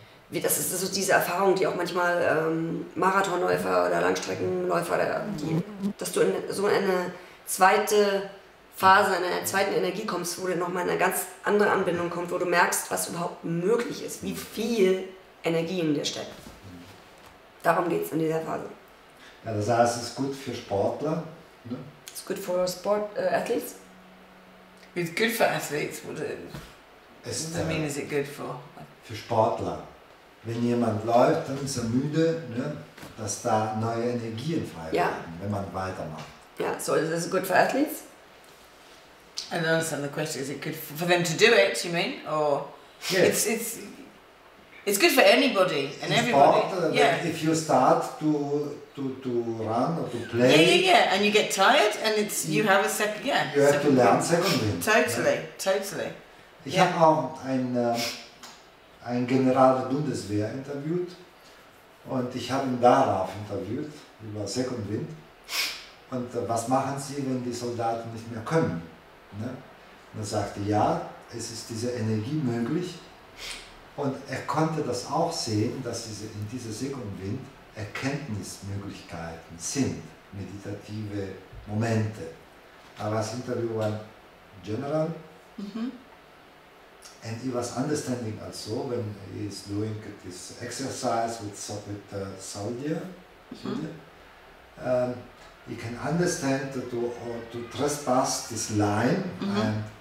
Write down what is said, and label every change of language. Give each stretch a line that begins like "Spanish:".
German: Das ist so diese Erfahrung, die auch manchmal Marathonläufer oder Langstreckenläufer, dass du in so eine zweite Phase, in einer zweiten Energie kommst, wo du nochmal in eine ganz andere Anbindung kommst, wo du merkst, was überhaupt möglich ist, wie viel Energie in dir steckt. Darum geht es in dieser Phase. Ja, das heißt, es ist gut für Sportler, ne?
English: It's good for sport, athletes? It's good for athletes, what does it mean, is it good for?
German: Für Sportler. Wenn jemand läuft, dann ist er müde, ne? Dass da neue Energien frei werden, wenn man weitermacht.
English: Ja, yeah. So is it good for athletes? I don't understand the question. Is it good for them to do it, you mean? Or yes. It's good for anybody and it's everybody. Sport, yeah. If you start to run or to play. Yeah. And you get tired and it's you have a second, yeah. You have to learn second wind. Totally.
German: Ich habe auch ein General der Bundeswehr interviewt und ich habe ihn darauf interviewt, über Second Wind. Und was machen sie, wenn die Soldaten nicht mehr können? Ne? Und er sagte, ja, es ist diese Energie möglich. Und er konnte das auch sehen, dass diese, in dieser Second Wind Erkenntnismöglichkeiten sind, meditative Momente. Aber das Interview war general. Mm-hmm.
English: And he was understanding also, when he is doing this exercise with soldier. Mm-hmm. You can understand that to trespass this line and